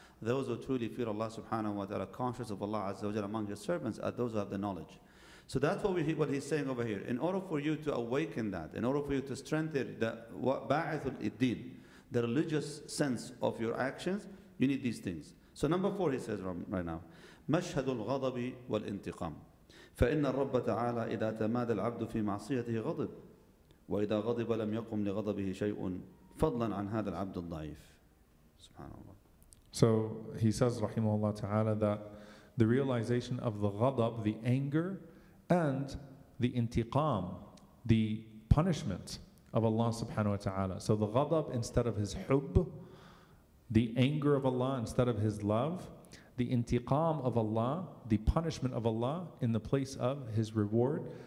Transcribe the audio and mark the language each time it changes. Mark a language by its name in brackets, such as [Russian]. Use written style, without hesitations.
[English] Those who truly fear Allah subhanahu wa ta'ala, conscious of Allah azza wa jalla among his servants, are those who have the knowledge. So that's what he's saying over here. In order for you to awaken that, in order for you to strengthen the ba'ithul iddin, the religious sense of your actions, you need these things. So number four, he says right now, [Arabic] مَشْهَدُ الْغَضَبِ وَالْإِنْتِقَامِ فَإِنَّ الرَّبَّ تَعَالَى إِذَا تَمَادَ الْعَبْدُ فِي مَعْصِيَتِهِ غَضِبْ وَإِذَا غَضِبَ لَمْ يَقُمْ لِغَضَبِهِ شَيْءٌ فَضْلًا عَنْ هَذَا الْعَبْدُ الضَّعِيفِ. [English] Subhanallah. So he says, rahimahullah ta'ala, that the realization of the ghadab, the anger, and the intiqam, the punishment of Allah subhanahu wa ta'ala. So the ghadab instead of his hub, the anger of Allah instead of his love, the intiqam of Allah, the punishment of Allah in the place of his reward.